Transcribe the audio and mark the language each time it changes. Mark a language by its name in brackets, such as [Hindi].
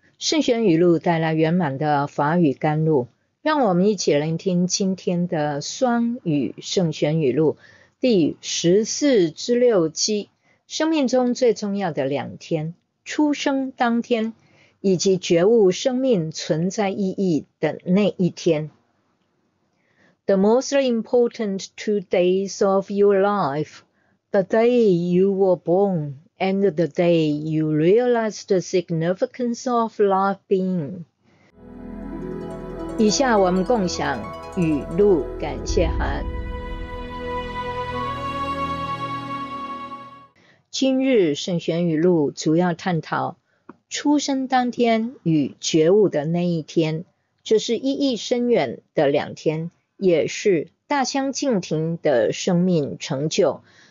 [Chinese] 圣贤语录带来圆满的法语甘露，让我们一起聆听今天的双语圣贤语录第14-6期：生命中最重要的两天，出生当天以及觉悟生命存在意义的那一天。 [English] The most important 2 days of your life, the day you were born and the day you realized the significance of life being. [Chinese] 以下我们共享语录感谢函。今日圣贤语录主要探讨出生当天与觉悟的那一天，这是意义深远的两天，也是大相径庭的生命成就。